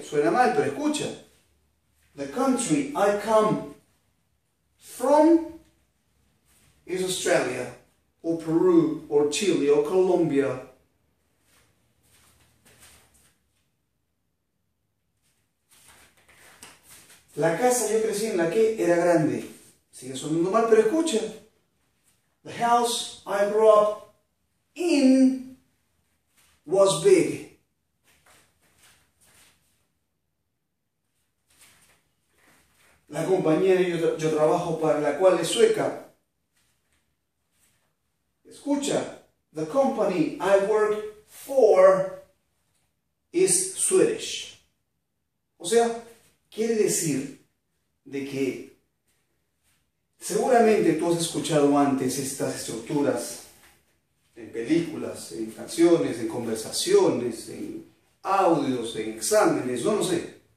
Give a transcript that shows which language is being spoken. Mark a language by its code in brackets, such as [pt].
[es] Suena mal, pero escucha. [en] The country I come from is Australia, or Peru, or Chile, or Colombia. [es] La casa yo crecí en la que era grande. Sigue sonando mal, pero escucha. [en] The house I grew up in was big. [es] La compañía que yo trabajo para la cual es sueca. [en] Escucha, the company I work for is Swedish. [es] O sea, quiere decir de que seguramente tú has escuchado antes estas estructuras en películas, en canciones, en conversaciones, en audios, en exámenes, no lo sé.